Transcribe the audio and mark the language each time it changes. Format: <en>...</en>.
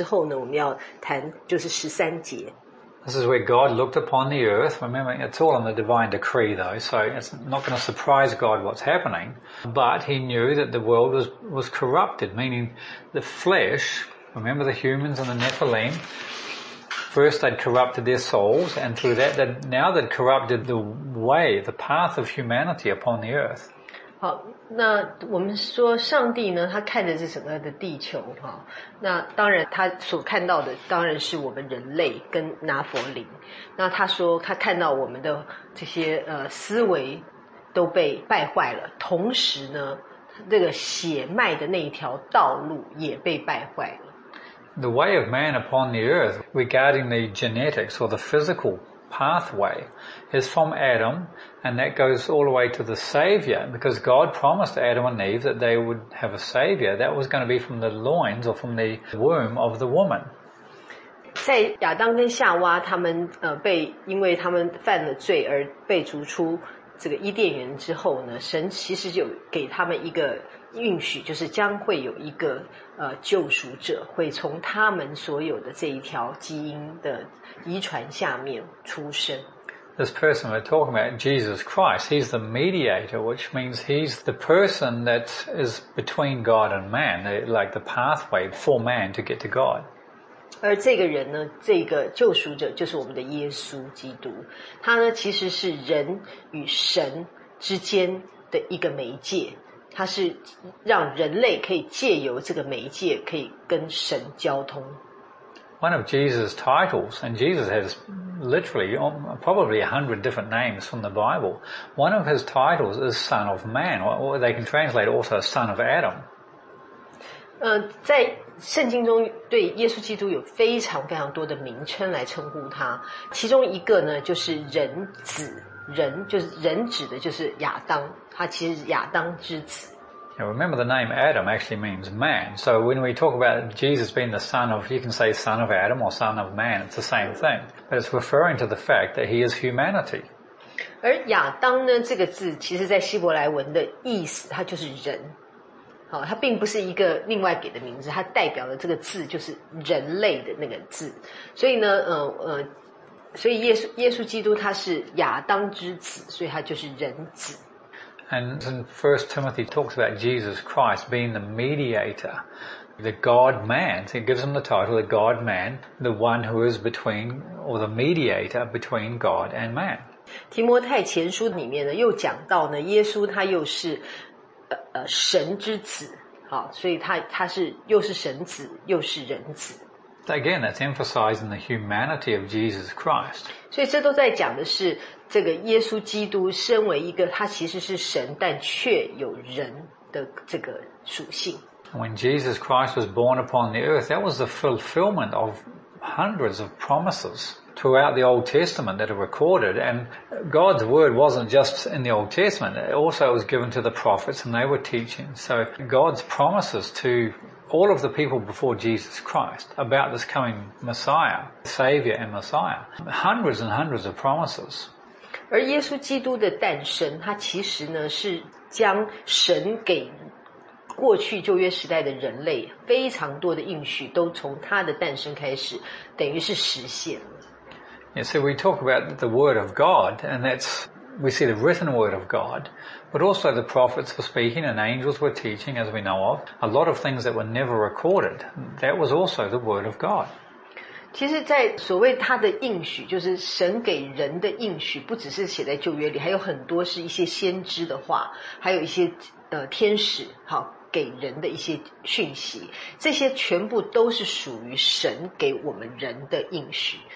<zh>我们现在回到这个创世纪六章十二节，刚刚讲完的十二节，那之后呢，我们要谈就是十三节。</zh> <en>This is where God looked upon the earth. Remember, it's all in the divine decree, though, so it's not going to surprise God what's happening. But He knew that the world was corrupted, meaning the flesh. Remember the humans and the Nephilim. First they'd corrupted their souls, and through that, now they'd corrupted the way, the path of humanity upon the earth.</en> <zh>好，那我们说上帝呢，他看着这整个的地球，那当然他所看到的当然是我们人类跟拿佛灵。那他说他看到我们的这些思维都被败坏了，同时呢，这个血脉的那一条道路也被败坏了。</zh> <en>the way of man upon the earth regarding the genetics or the physical pathway is from Adam, and that goes all the way to the Savior, because God promised Adam and Eve that they would have a Savior that was going to be from the loins or from the womb of the woman.</en> <zh>在亚当跟夏娃他们被因为他们犯了罪而被逐出这个伊甸园之后呢，神其实就给他们一个应许，就是将会有一个救赎者会从他们所有的这一条基因的遗传下面出生。</zh> <en>This person we're talking about, Jesus Christ, he's the mediator, which means he's the person that is between God and man, like the pathway for man to get to God.</en> <zh>而这个人呢，这个救赎者就是我们的耶稣基督，他呢其实是人与神之间的一个媒介。它是让人类可以借由这个媒介可以跟神交通。</zh> <en>One of Jesus' titles, and Jesus has literally probably 100 different names from the Bible. One of his titles is Son of Man, or they can translate also Son of Adam.</en> <zh>在圣经中对耶稣基督有非常非常多的名称来称呼他，其中一个呢就是人子。人就是人指的就是亚当，他其实亚当之子。</zh> <en>Now remember the name Adam actually means man. So when we talk about Jesus being the son of, you can say son of Adam or son of man, it's the same thing. But it's referring to the fact that he is humanity.</en> <zh>而亚当呢，这个字其实在希伯来文的意思，它就是人。好，它并不是一个另外给的名字，它代表的这个字就是人类的那个字。所以呢，所以耶稣基督他是亚当之子，所以他就是人子。</zh> <en>And First Timothy talks about Jesus Christ being the mediator, the God-man. So it gives him the title, the God-man, the one who is between, or the mediator between God and man.</en> <zh>提摩太前书里面呢又讲到呢，耶稣他又是神之子，好，所以他是又是神子又是人子。</zh> <en>Again, that's emphasizing the humanity of Jesus Christ.</en> <zh>所以这都在讲的是这个耶稣基督身为一个他其实是神但却有人的这个属性。</zh> <en>When Jesus Christ was born upon the earth, that was the fulfillment of hundreds of promises throughout the Old Testament that are recorded. And God's word wasn't just in the Old Testament. It also was given to the prophets and they were teaching. So God's promises to all of the people before Jesus Christ about this coming Messiah, Savior and Messiah. Hundreds and hundreds of promises.</en> <zh>而耶稣基督的诞生，他其实呢是将神给过去旧约时代的人类非常多的应许都从他的诞生开始等于是实现了。</zh> <en>Yeah, so we talk about the word of God, and that's, we see the written word of God. But also the prophets were speaking and angels were teaching, as we know of. A lot of things that were never recorded, that was also the word of God.</en> <zh>其实在所谓他的应许，就是神给人的应许，不只是写在旧约里，还有很多是一些先知的话，还有一些天使好给人的一些讯息，这些全部都是属于神给我们人的应许。</zh>